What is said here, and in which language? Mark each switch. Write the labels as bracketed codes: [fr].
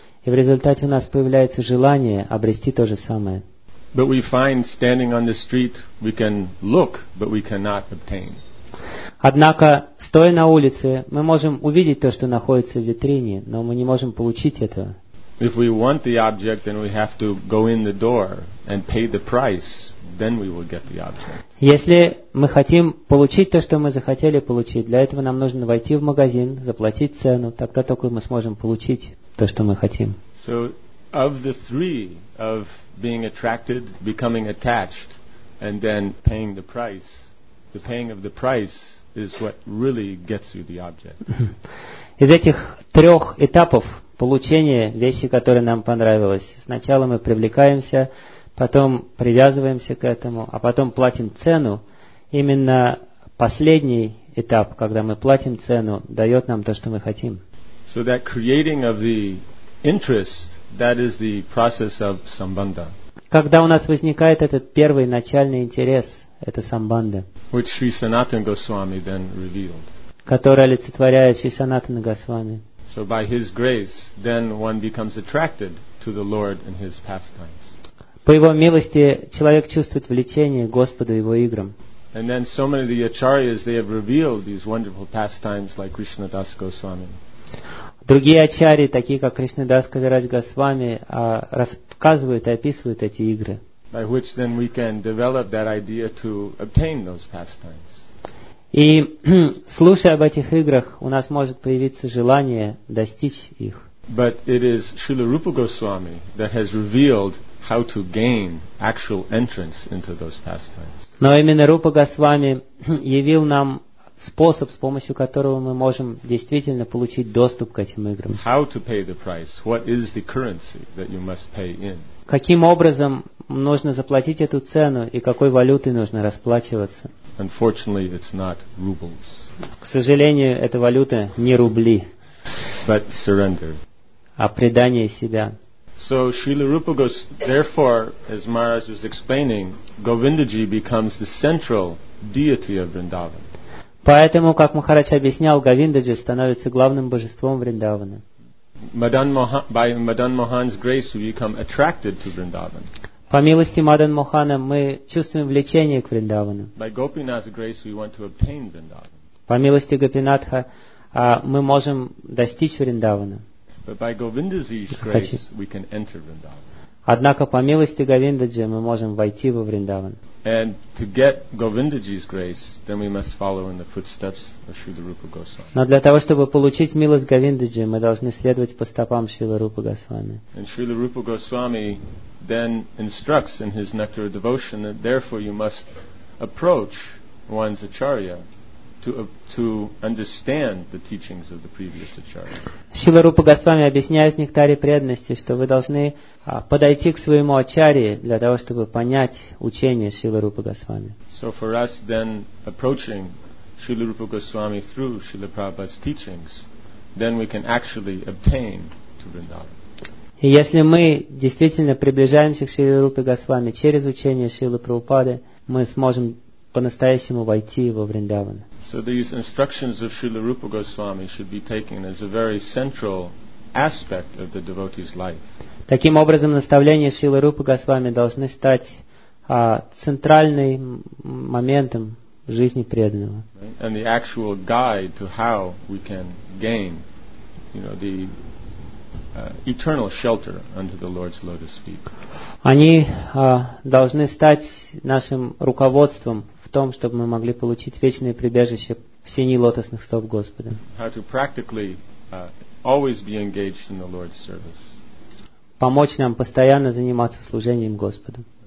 [ru] И в результате у нас появляется желание обрести то же самое. [en] But we find standing on the street, we can look, but we cannot obtain. [ru] Однако, стоя на улице, мы можем увидеть то, что находится в витрине, но мы не можем получить этого. [en] If we want the object, then we have to go in the door and pay the price. Then we will get the object. [ru] Если мы хотим получить то, что мы захотели получить, для этого нам нужно войти в магазин, заплатить цену, тогда только мы сможем получить то, что мы хотим. [en] So, of the three, of being attracted, becoming attached, and then paying the price, the paying of the price is what really gets you the object. [ru] Из этих трех этапов получения вещи, которые нам понравились, сначала мы привлекаемся, потом привязываемся к этому, а потом платим цену. Именно последний этап, когда мы платим цену, дает нам то, что мы хотим. [en] So that creating of the interest, that is the process of sambandha. [ru] Когда у нас возникает этот первый начальный интерес, это самбанда, [en] which Sri Sanatana Goswami then revealed. [ru] Которая олицетворяет Шри Санатана Госвами. [en] So by his grace, then one becomes attracted to the Lord and his pastimes. [ru] По его милости человек чувствует влечение к Господу и его играм. [en] And then so many of the acharyas, they have revealed these wonderful pastimes like Krishna Das Goswami. [ru] Другие ачарьи, такие как Кришна Дас Кавирадж Госвами, рассказывают и описывают эти игры. [en] By which then we can develop that idea to obtain those pastimes. [ru] И слушая об этих играх, у нас может появиться желание достичь их. [en] But it is Srila Rupa Goswami that has revealed how to gain actual entrance into those pastimes. [ru] Но именно Рупа Госвами явил нам способ, с помощью которого мы можем действительно получить доступ к этим играм. [en] How to pay the price? What is the currency that you must pay in? [ru] Каким образом нужно заплатить эту цену и какой валютой нужно расплачиваться? [en] Unfortunately, it's not rubles. [ru] К сожалению, эта валюта не рубли. [en] But surrender. [ru] А предание себя. [en] So Srila Rupa Goswami, therefore, as Maharaj was explaining, Govindaji becomes the central deity of Vrindavan. [ru] Поэтому, как Махарадж объяснял, Говиндаджи становится главным божеством Вриндавана. [en] By Madan Mohan's grace, we become attracted to Vrindavan. [ru] По милости Мадан Мохана мы чувствуем влечение к Вриндавану. [en] By Gopinath's grace, we want to obtain Vrindavan. [ru] По милости Гопинатха мы можем достичь Вриндавана. [en] But by Govindaji's grace, we can enter Vrindavan. [ru] Однако по милости Говиндаджи мы можем войти во Вриндаван. [en] And to get Govindaji's grace, then we must follow in the footsteps of Srila Rupa Goswami. [ru] Но для того, чтобы получить милость Говиндаджи, мы должны следовать по стопам Шрилы Рупы Госвами. [en] And Srila Rupa Goswami then instructs in his Nectar of Devotion that therefore you must approach one's acharya to understand the teachings of the previous acharya. [ru] Шрила Рупа Госвами объясняет в Нектаре преданности, что вы должны подойти к своему ачарье для того, чтобы понять учение Шрилы Рупа Госвами. [en] So for us then approaching Srila Rupa Goswami through Srila Prabhupada's teachings, then we can actually obtain to Vrindavan. [ru] И если мы действительно приближаемся к Шрилы Рупе Госвами через учение Шрилы Прабхупады, мы сможем по-настоящему войти во Вриндаван. [en] So these instructions of Srila Rupa Goswami should be taken as a very central aspect of the devotee's life. [ru] Таким образом, наставления Шрилы Рупы Госвами должны стать центральным моментом жизни преданного. [en] And the actual guide to how we can gain, you know, the eternal shelter under the Lord's lotus feet. [ru] Они должны стать нашим руководством в том, чтобы мы могли получить вечное прибежище в сени лотосных стоп Господа. [en] How to practically always be engaged in the Lord's service. [ru] Помочь нам постоянно заниматься служением Господу.